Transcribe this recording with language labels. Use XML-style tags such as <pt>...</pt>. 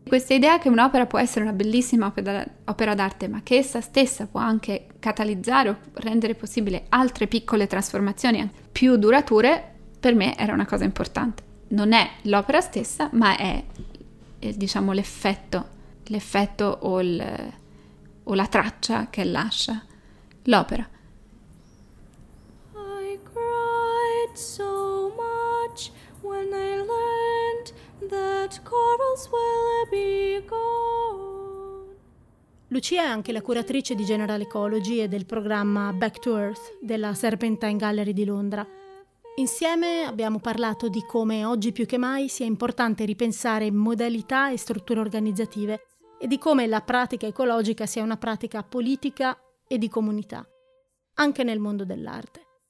<it>Questa idea che un'opera può essere una bellissima opera d'arte, ma che essa stessa può anche catalizzare o rendere possibile altre piccole trasformazioni più durature, per me era una cosa importante. Non è l'opera stessa, ma è, diciamo, l'effetto o la traccia che lascia l'opera.</it> <en>I cried so much when I learned that corals will be gone.</en> <it>Lucia è anche la curatrice di General Ecology e del programma Back to Earth della Serpentine Gallery di Londra. Insieme abbiamo parlato di come oggi più che mai sia importante ripensare modalità e strutture organizzative e di come la pratica ecologica sia una pratica politica e di comunità, anche nel mondo dell'arte.</it>